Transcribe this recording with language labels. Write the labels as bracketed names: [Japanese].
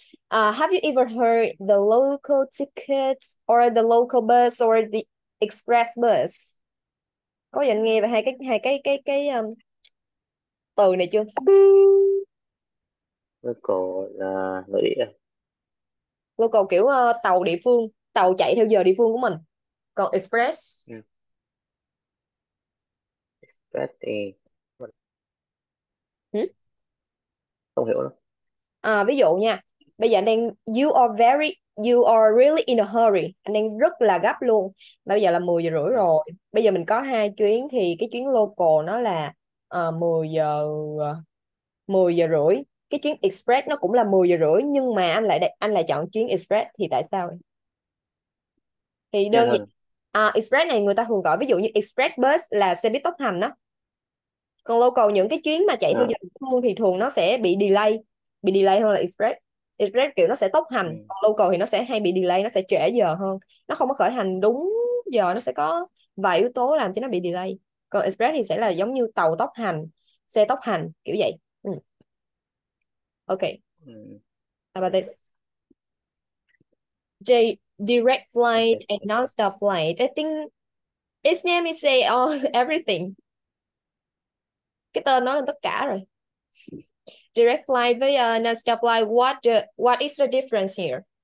[English] Have you ever heard the local tickets or the local bus or the express bus? [Vietnamese] Có dành nghe về hai cái từ này chưa? Local là nội địa. Local kiểu tàu địa phương, tàu chạy theo giờ địa phương của mình. Còn express. Express thì không hiểu lắm. À, ví dụ nha. Bây giờ anh đang [English] you are really in a hurry. [Vietnamese] Anh đang rất là gấp luôn. Bây giờ là 10 giờ rưỡi rồi. Bây giờ mình có hai chuyến thì cái chuyến local nó là 10 giờ rưỡi. Cái chuyến express nó cũng là 10 giờ rưỡi nhưng mà anh lại chọn chuyến express thì tại sao? Thì Nhanh đơn giản hơn. express này người ta thường gọi ví dụ như express bus là xe buýt tốc hành đó. Còn local những cái chuyến mà chạy theo giờ địa phương thì thường nó sẽ bị delay hơn là express. Express kiểu nó sẽ tốc hành, còn local thì nó sẽ hay bị delay, nó sẽ trễ giờ hơn. Nó không có khởi hành đúng giờ, nó sẽ có vài yếu tố làm cho nó bị delay. Còn express thì sẽ là giống như tàu tốc hành, xe tốc hành kiểu vậy. [English] Okay. How about this? direct flight Okay. and non-stop flight. I think its name is say everything. [Vietnamese] Cái tên nói lên tất cả rồi. [English] Direct flight với non-stop flight, what is the difference here?